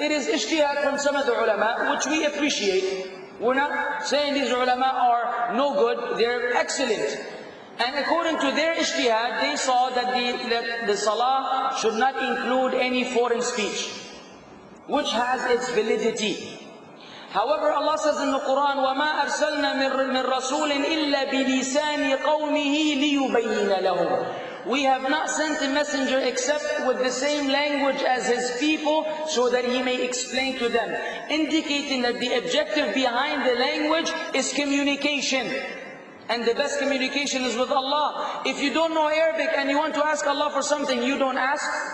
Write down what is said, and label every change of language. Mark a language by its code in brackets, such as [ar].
[en] It is ijtihad from some of the ulama, which we appreciate. We're not saying these ulama are no good, they're excellent. And according to their ijtihad, they saw that the salah should not include any foreign speech, which has its validity. However, Allah says in the Quran, [ar] وَمَا أَرْسَلْنَا مِنْ رَسُولٍ إِلَّا بِلِسَانِ قَوْمِهِ لِيُبَيِّنَ لَهُمْ. [en] We have not sent a messenger except with the same language as his people, so that he may explain to them, indicating that the objective behind the language is communication. And the best communication is with Allah. If you don't know Arabic and you want to ask Allah for something, you don't ask.